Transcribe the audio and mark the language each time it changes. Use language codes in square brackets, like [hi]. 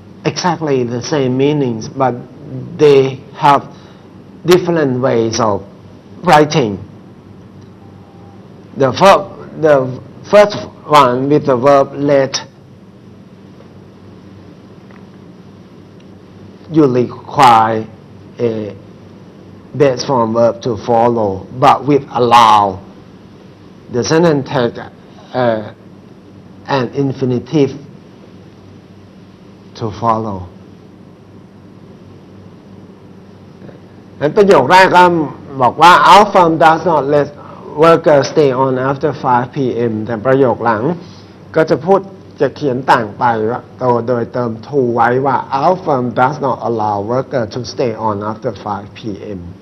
[en] exactly the same meanings but they have different ways of writingThe first one with the verb let, you require a base form verb to follow. But with allow, the sentence takes an infinitive to follow. [th] And ประโยคแรกก็บอกว่า [en] our firm does not let.Worker stay on after 5 p.m. [th] แต่ประโยคหลังก็จะพูด จะเขียนต่างไปตัวโดยเติม to ไว้ว่า [en] our firm does not allow worker to stay on after 5 p.m.